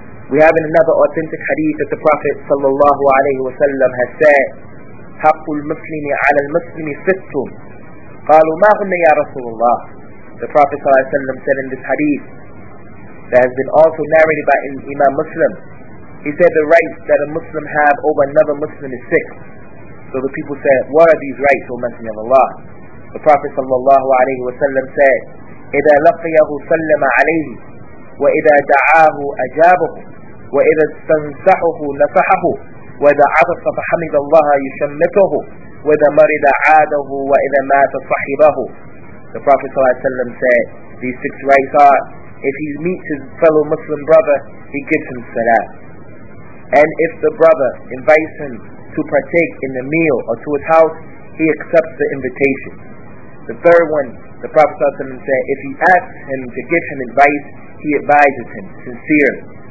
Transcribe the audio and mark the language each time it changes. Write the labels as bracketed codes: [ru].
[en] We have in another authentic hadith that the Prophet sallallahu alayhi wa sallam has said, [ar] حَقُّ الْمُسْلِمِ عَلَى الْمُسْلِمِ سِتْتُمْ قَالُوا مَا هُمَّ يَا رَسُولُ اللَّهِ. [en] The Prophet sallallahu alayhi wa sallam said in this hadith that has been also narrated by Imam Muslim, he said the rights that a Muslim have over another Muslim is six. So the people said, what are these rights, O Messenger of Allah? The Prophet sallallahu alayhi wa sallam said, [ar] إِذَا لَقِيَهُ سَلَّمَ عَلَيْهِ وَإِذَا دَعَاهُ أَجَابُهُ وَإِذَا اسْتَنْصَحَهُ نَصَحَهُ وَإِذَا عَطَسَ فَحَمِدَ اللَّهَ يُشَمِّتُهُ وَإِذَا مَرِضَ عَادَهُ وَإِذَا مَاتَ صَحِبَهُ. [en] The Prophet ﷺ said, these six rights are, if he meets his fellow Muslim brother, he gives him salam. And if the brother invites him to partake in the meal or to his house, he accepts the invitation. The third one, the Prophet ﷺ said, if he asks him to give him advice, he advises him sincerely.